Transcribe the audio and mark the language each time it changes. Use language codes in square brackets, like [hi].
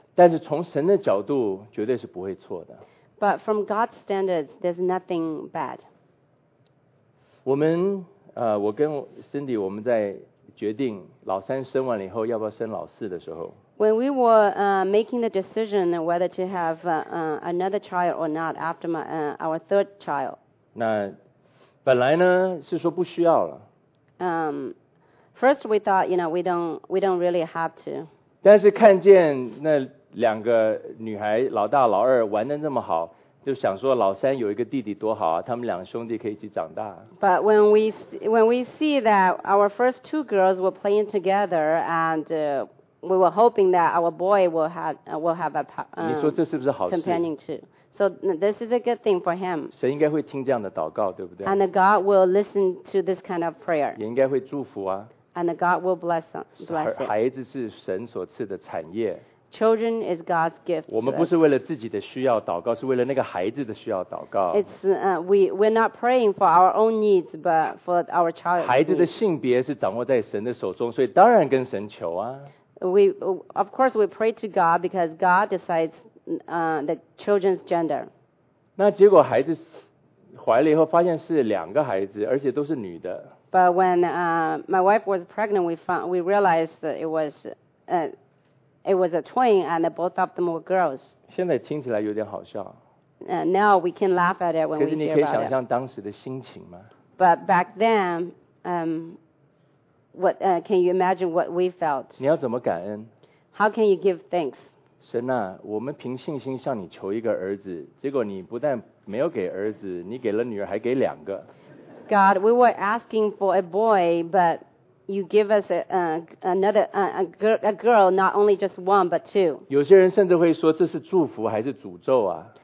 [zh] 但是从神的角度，绝对是不会错的。 [en] But from God's standards, there's nothing bad. [zh] 我们我跟 Cindy 我们在决定老三生完了以后要不要生老四的时候 [en] When we were making the decision whether to have another child or not after our third child [zh] 那本来呢是说不需要了 [en] First we thought, you know, we don't really have to [zh] 但是看见那两个女孩老大老二玩得那么好就想说老三有一个弟弟多好啊，他们两兄弟可以一起长大。 [en] But when we see that our first two girls were playing together, and we were hoping that our boy will have a companion too. So this is a good thing for him. [zh] 神应该会听这样的祷告，对不对 [en] ？And God will listen to this kind of prayer. [zh] 也应该会祝福啊。 [en] And God will bless [zh] it. 孩子是神所赐的产业。 [en] Children is God's gift. [zh] 我们不是为了自己的需要祷告，是为了那个孩子的需要祷告。 [en] We're not praying for our own needs, but for our child. [zh] 孩子的性别是掌握在神的手中，所以当然跟神求啊。 [en] Of course we pray to God because God decides the children's gender. [zh] 那结果孩子怀了以后，发现是两个孩子，而且都是女的。 [en] But when my wife was pregnant, we realized that it was a twin, and both of them were girls. [zh] 现在听起来有点好笑。 [en] Now we can laugh at it when we hear about it. [zh] 可是你可以想象当时的心情吗 [en] ？But back then, can you imagine what we felt? [zh] 你要怎么感恩 [en] ？How can you give thanks? [zh] 神啊，我们凭信心向你求一个儿子，结果你不但没有给儿子，你给了女儿，还给两个。 [en] God, we were asking for a boy, but You give us a girl, not only just one, but two. [zh] 有些人甚至会说这是祝福还是诅咒啊